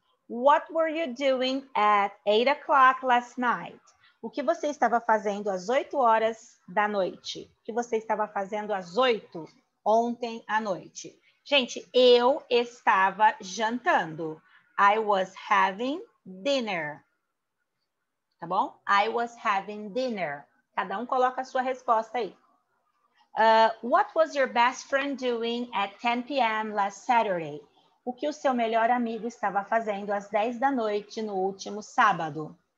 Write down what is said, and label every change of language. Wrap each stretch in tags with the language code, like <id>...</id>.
<en>What were you doing at 8 o'clock last night?</en> <pt>O que você estava fazendo às 8 horas da noite? O que você estava fazendo às 8 ontem à noite? Gente, eu estava jantando.</pt> <en>I was having dinner.</en> <pt>Tá bom?</pt> <en>I was having dinner.</en> <pt>Cada um coloca a sua resposta aí.</pt> <en>What was your best friend doing at 10 p.m. last Saturday?</en> <pt>O que o seu melhor amigo estava fazendo às 10 da noite no último sábado?</pt>